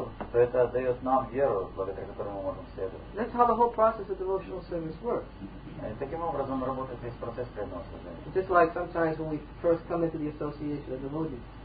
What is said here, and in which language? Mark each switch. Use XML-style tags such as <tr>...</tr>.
<ru>То это дает нам веру, благодаря которой мы можем следовать.</ru> <en>That's how the whole process of devotional service works.</en> <ru>Таким образом работает весь процесс преданного служения.</ru> <en>Just like sometimes when we first come into the association of devotees.</en>